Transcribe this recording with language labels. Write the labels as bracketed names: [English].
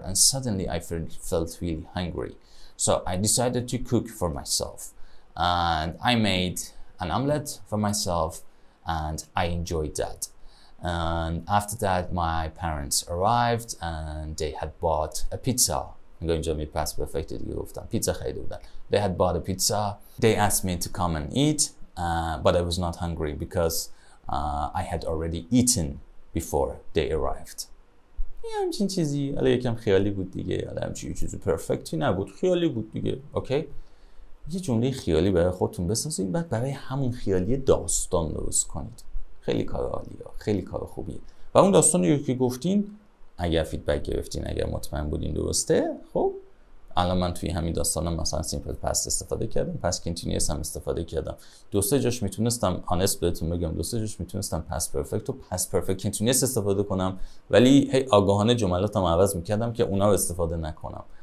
[English] And suddenly I felt really hungry. So I decided to cook for myself and I made an omelette for myself and I enjoyed that. And after that my parents arrived and they had bought a pizza. [Persian] میگه اینجا می پس پرفکت دیگه گفتم، پیتزا خیلی بودن. [English] They had bought a pizza. They asked me to come and eat but I was not hungry because I had already eaten before they arrived. [Persian] یه همچین چیزی، حالا یکم خیالی بود دیگه، حالا همچین یه چیزی پرفکتی نبود، خیالی بود دیگه. اوکی یه جمله خیالی برای خودتون بسازید، بعد برای همون خیالی داستان درست کنید. خیلی کار عالیه، خیلی کار خوبیه. و اون داستانی که گفتین اگر فیدبک گرفتین، اگر مطمئن بودین درسته، خب الان من توی همین داستانم مثلا سیمپل پست استفاده کردم، پست کنتینیوس هم استفاده کردم، دو سه جاش میتونستم آنست بهتون بگم، دو سه جاش میتونستم پست پرفکت و پست پرفکت کنتینیوس استفاده کنم، ولی هی آگاهانه جملاتم عوض میکردم که اونا رو استفاده نکنم.